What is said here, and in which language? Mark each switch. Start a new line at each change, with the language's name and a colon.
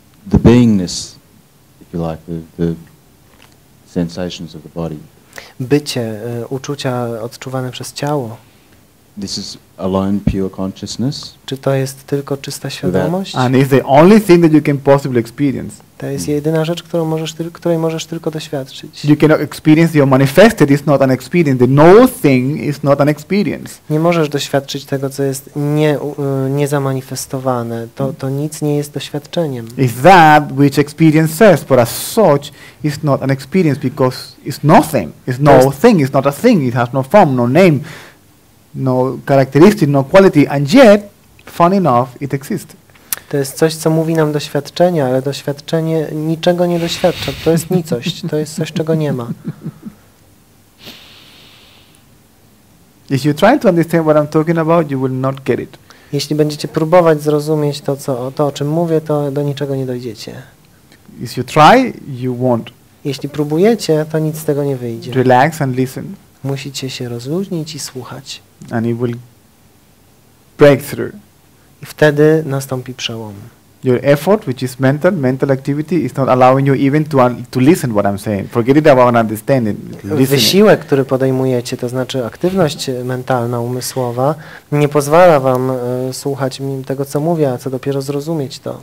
English: The beingness, if you like, the sensations of the body.
Polish: Bycie, uczucia odczuwane przez ciało.
English: This is alone pure consciousness.
Polish: Czy to jest tylko czysta świadomość?
English: And is the only thing that you can possibly experience.
Polish: To jest jedyna rzecz, której możesz tylko doświadczyć.
English: You cannot experience your manifested is not an experience. The no thing is not an experience.
Polish: Nie możesz doświadczyć tego, co jest niezamanifestowane. To nic nie jest doświadczeniem.
English: It's that which experience says, but as such, it's not an experience because it's nothing. It's no thing. It's not a thing. It has no form, no name. No characteristic, no quality, and yet, funny enough, it exists.
Polish: To jest coś, co mówi nam doświadczenie, ale doświadczenie niczego nie doświadcza. To jest nicość, to jest coś, czego nie ma.
English: If you try to understand what I'm talking about, you will not get it.
Polish: Jeśli będziecie próbować zrozumieć to, o czym mówię, to do niczego nie dojdziecie.
English: If you try, you won't.
Polish: Jeśli próbujecie, to nic z tego nie wyjdzie.
English: Relax and listen.
Polish: Musicie się rozluźnić i słuchać.
English: And it will break through.
Polish: I wtedy nastąpi przełom.
English: Your effort, which is mental activity, is not allowing you even to listen what I'm saying. Forget it about understanding.
Polish: Wysiłek, który podejmujecie, to znaczy aktywność mentalna, umysłowa, nie pozwala wam słuchać tego, co mówię, a co dopiero zrozumieć to.